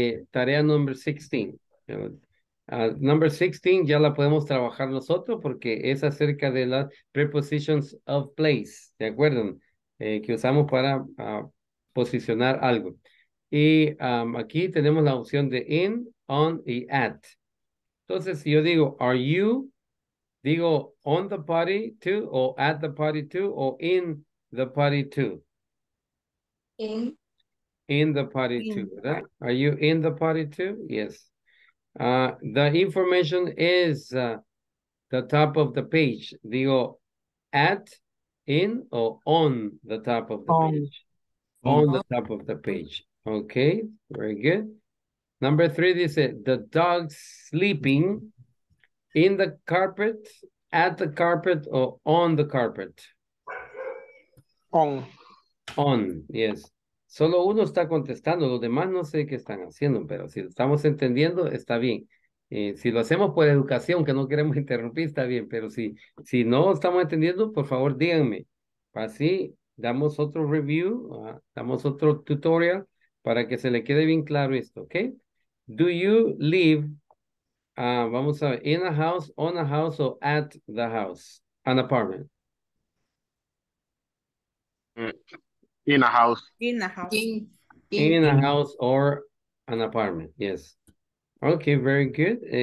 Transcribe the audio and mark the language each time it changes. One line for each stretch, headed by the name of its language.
Spanish: Tarea number 16. Number 16 ya la podemos trabajar nosotros porque es acerca de las prepositions of place, ¿de acuerdo? Que usamos para posicionar algo. Y aquí tenemos la opción de in, on y at. Entonces, si yo digo,
English: are you, digo on the party too, o at the party too, o in the party too. In the party too, ¿verdad? Are you in the party too? Yes. The information is the top of the page. Digo, at, in, or on the top of the page? On the top of the page. Okay, very good. Number three, they said, the dog's sleeping in the carpet, at the carpet, or on the carpet? On. On, yes.
Spanish: Solo uno está contestando, los demás no sé qué están haciendo, pero si lo estamos entendiendo, está bien. Si lo hacemos por educación, que no queremos interrumpir, está bien, pero si no estamos entendiendo, por favor, díganme. Así damos otro review, damos otro tutorial para que se le quede bien claro esto, ¿ok?
English: Do you live,
Spanish: vamos a ver,
English: in a house, on a house, or at the house, an apartment? In a house. In a house. In a house or an apartment. Yes. Okay, very good.